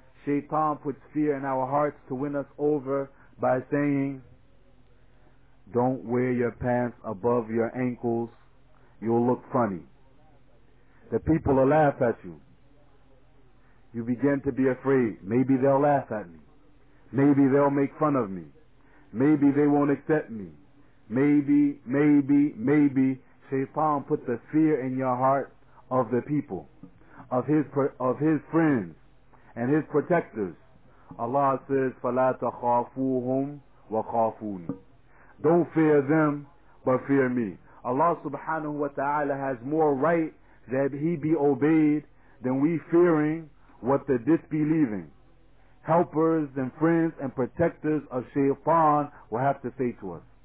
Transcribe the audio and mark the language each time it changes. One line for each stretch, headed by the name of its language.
English: Shaytan puts fear in our hearts to win us over by saying, don't wear your pants above your ankles, you'll look funny, the people will laugh at you, you begin to be afraid, maybe they'll laugh at me, maybe they'll make fun of me, maybe they won't accept me, maybe, maybe, maybe. Shaytan put the fear in your heart of the people, of his friends and his protectors.
Arabic: Allah says, فَلَا تَخَافُوهُمْ وَخَافُونِ.
English: Don't fear them, but fear me. Allah subhanahu wa ta'ala has more right that he be obeyed than we fearing what the disbelieving helpers and friends and protectors of shaytan will have to say to us.